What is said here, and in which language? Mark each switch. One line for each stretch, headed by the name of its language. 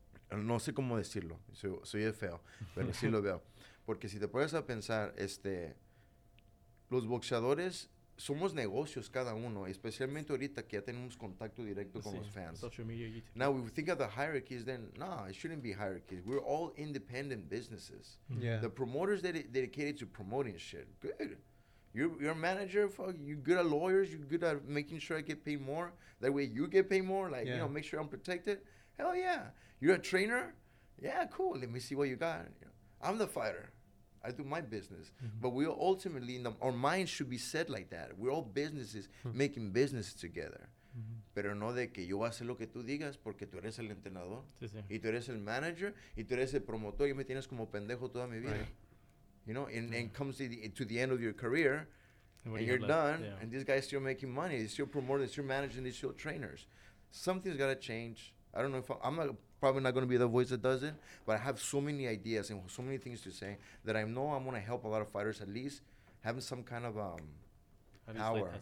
Spanish: No sé cómo decirlo, soy de feo, pero sí lo veo. Porque si te pones a pensar, los boxeadores... Somos negocios cada uno, especialmente ahorita que ya tenemos contacto directo con los fans.
English: Social media, YouTube. Now, if we think of the hierarchies, then, it shouldn't be hierarchies. We're all independent businesses. Mm-hmm. Yeah. The promoters that are dedicated to promoting shit, good. You're a manager, fuck. You're good at lawyers. You're good at making sure I get paid more. That way you get paid more. Like, yeah. You know, make sure I'm protected. Hell yeah. You're a trainer? Yeah, cool. Let me see what you got. I'm the fighter. I do my business. Mm-hmm. But we are ultimately, our minds should be set like that. We're all businesses making business together. Mm-hmm.
Spanish: Pero no de que yo voy a hacer lo que tú digas porque tú eres el entrenador. Sí. Y tú eres el manager. Y tú eres el promotor. Y me tienes como pendejo toda mi vida.
English: Right. You know, and comes to the end of your career. And you're done. Yeah. And this guy's still making money. He's still promoting. He's still managing. He's still trainers. Something's got to change. I don't know if I'm probably not going to be the voice that does it, but I have so many ideas and so many things to say that I know I'm going to help a lot of fighters at least having some kind of power.